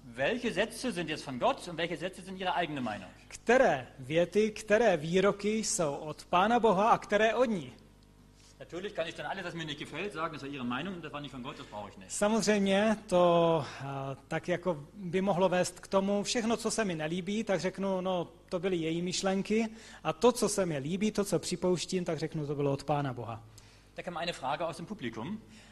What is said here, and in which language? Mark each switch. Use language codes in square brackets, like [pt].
[de] welche Sätze sind jetzt von Gott und welche Sätze sind ihre eigene Meinung. [cs] Které věty, které výroky jsou od Pána Boha a které od ní. [de] Natürlich kann ich dann alles, was mir nicht gefällt, sagen, das war ihre Meinung und das war nicht von Gott, das brauche ich nicht. [cs] Samozřejmě to tak jako by mohlo vést k tomu, všechno, co se mi nelíbí, tak řeknu, no, to byly její myšlenky a to, co se mi líbí, to, co připouštím, tak řeknu, to bylo od Pána Boha. Tak mám [de] eine Frage aus dem Publikum.